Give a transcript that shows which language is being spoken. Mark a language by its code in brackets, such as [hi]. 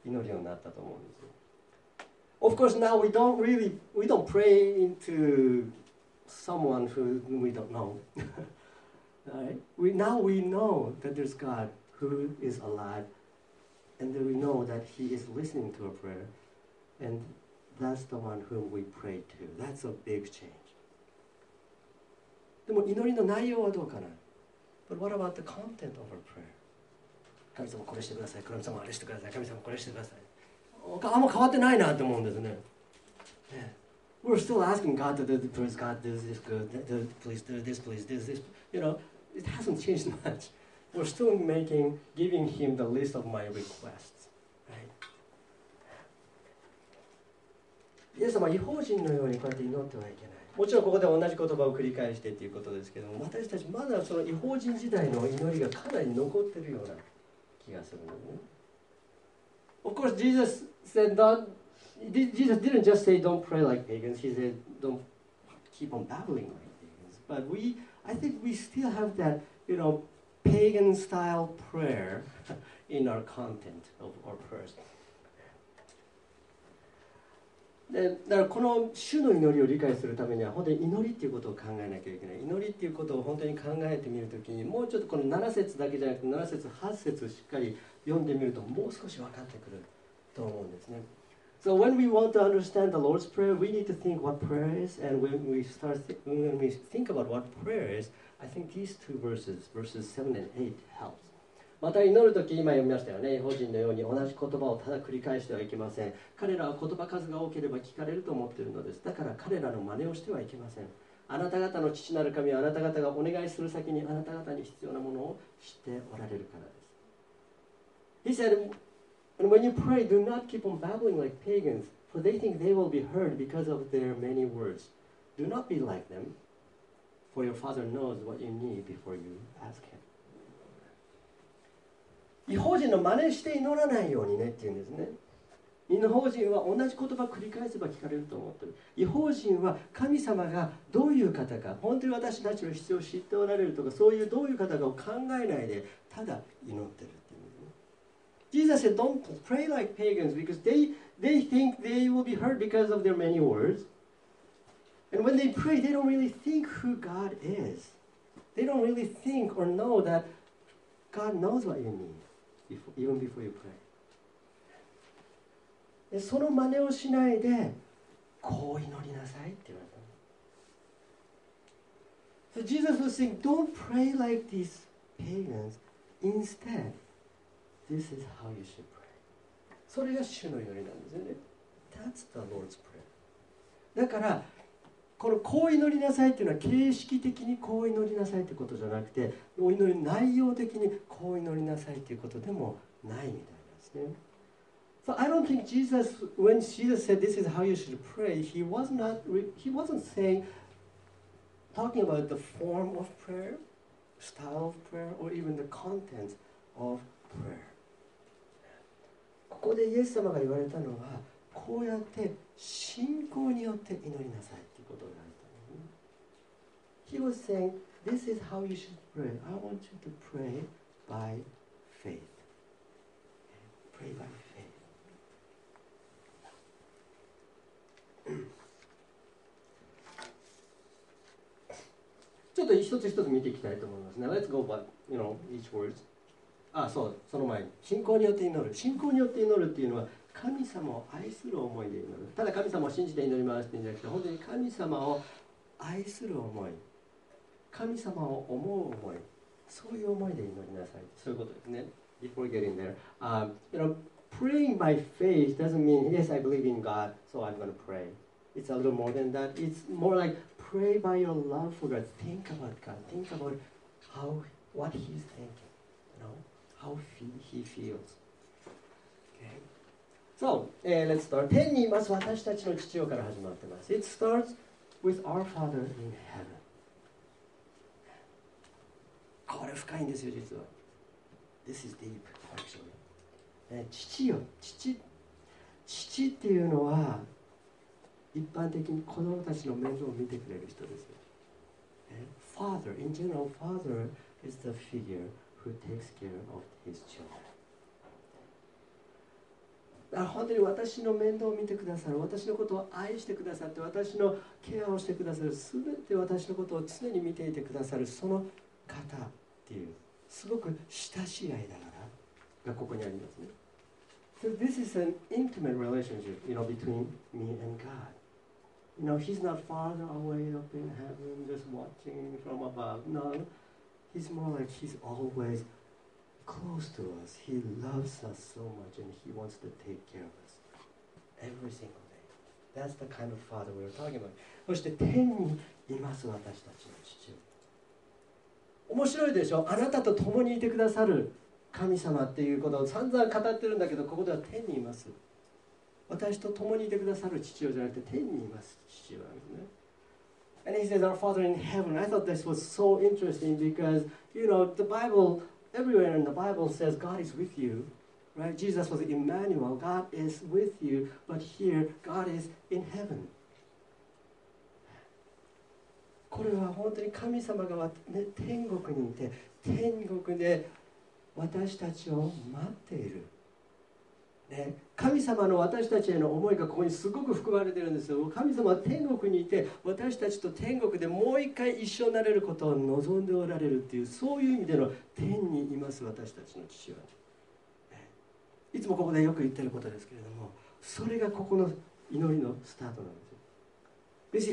[ja] 祈るようになったと思うんですよ。 [en] Of course, now we don't pray into someone who we don't know. Right? Now we know that there's God who is alive, and then we know that He is listening to our prayer, and that's the one whom we pray to. That's a big change. [ja] でも祈りの内容はどうかな? [en] But what about the content of our prayer? [ja] 神様これしてください。神様あれしてください。神様これしてください。あんま変わってないなと思うんですね。 [en] Yeah. We're still asking God to do this, please, God, do this, good, do, please, do this, please, do this. You know, it hasn't changed much. We're still making, giving him the list of my requests. Right? [ja] イエス様、異邦人のようにこうやって祈ってはいけない。もちろんここで同じ言葉を繰り返してということですけども、私たちまだその異邦人時代の祈りがかなり残ってるような。 [en] Of course, Jesus said, Jesus didn't just say, don't pray like pagans. He said, don't keep on babbling like pagans. But I think we still have that, you know, pagan style prayer in our content of our prayers. [ja] だからこの主の祈りを理解するためには本当に祈りっていうことを考えなきゃいけない。祈りっていうことを本当に考えてみるときにもうちょっとこの7節だけじゃなくて7節8節しっかり読んでみるともう少し分かってくると思うんですね。 [en] So when we want to understand the Lord's Prayer, we need to think what prayer is, and when we think about what prayer is, I think these two verses, verses 7 and 8 helps. [ja] また祈るとき今読みましたよね、異邦人のように同じ言葉をただ繰り返してはいけません。彼らは言葉数が多ければ聞かれると思っているのです。だから彼らの真似をしてはいけません。あなた方の父なる神はあなた方がお願いする先にあなた方に必要なものを知っておられるからです。 [en] He said, and when you pray, do not keep on babbling like pagans, for they think they will be heard because of their many words. Do not be like them, for your father knows what you need before you ask him. [ja] 異邦人の真似して祈らないようにねって言うんですね。異邦人は同じ言葉を繰り返せば聞かれると思っている。異邦人は神様がどういう方か、本当に私たちの必要を知っておられるとか、そういうどういう方かを考えないで、ただ祈っているっていう、ね。 [en] Jesus said, don't pray like pagans because they think they will be heard because of their many words. And when they pray, they don't really think who God is. They don't really think or know that God knows what you need before, even before you pray. [ja] その真似をしないでこう祈りなさいって言われた。 [en] So Jesus was saying, don't pray like these pagans. Instead, this is how you should pray. [ja] それが主の祈りなんですよね。 [en] That's the Lord's prayer. [ja] だからこのこう祈りなさいっていうのは形式的にこう祈りなさいってことじゃなくて、お祈り内容的にこう祈りなさいっていうことでもないみたいなんですね。 [en] So I don't think Jesus, when Jesus said this is how you should pray, he wasn't talking about the form of prayer, style of prayer, or even the content of prayer. [ja] ここでイエス様が言われたのは、こうやって信仰によって祈りなさいということだった。 [en] He was saying, this is how you should pray. I want you to pray by faith. Pray by faith. [ja] ちょっと一つ一つ見ていきたいと思いますね。 [en] Let's go back, you know, each words. [ja] ああ、そう、その前に。信仰によって祈る。信仰によって祈るっていうのは、神様を愛する思いで祈る。ただ神様を信じて祈りますっていうんじゃなくて、本当に神様を愛する思い、神様を思う思い、そういう思いで祈りなさい。そういうことですね。 [en] Before getting there. You know, praying by faith doesn't mean, yes, I believe in God, so I'm going to pray. It's a little more than that. It's more like pray by your love for God. Think about God. Think about how, what He's thinking. You know? How He feels. Okay. So, let's start. [ja] 天にまず私たちの父よから始まってます。 [en] It starts with our Father in heaven. [ja] これ深いんですよ、実は。 [en] This is deep, actually. [ja] 父よ、父。父っていうのは、一般的に子供たちの面倒を見てくれる人ですよ。 [en] Father, in general, father is the figure who takes care of his children. [ja] だから本当に私の面倒を見てくださる、私のことを愛してくださって、私のケアをしてくださる、すべて私のことを常に見ていてくださる、その方っていう、すごく親しい間柄がここにありますね。 [en] So this is an intimate relationship, you know, between me and God. You know, he's not farther away up in heaven, just watching from above. No, he's more like he's always close to us. He loves us so much and he wants to take care of us every single day. That's the kind of father we're talking about. [ja] そして天にいます私たちの父。面白いでしょ？あなたと共にいてくださる神様っていうことを散々語ってるんだけど、ここでは天にいます。私と共にいてくださる父親じゃなくて天にいます父親なんですね。 [en] And he says, our Father in heaven. I thought this was so interesting because, you know, the Bible, everywhere in the Bible says God is with you, right? Jesus was Emmanuel. God is with you, but here, God is in heaven. [ja] これは本当に神様が、ね、天国にいて、天国で私たちを待っている。ね、神様の私たちへの思いがここにすごく含まれているんですよ。神様は天国にいて、私たちと天国でもう一回一緒になれることを望んでおられるっていう、そういう意味での天にいます私たちの父は、ね、いつもここでよく言っていることですけれども、それがここの祈りのスタートなんですよ。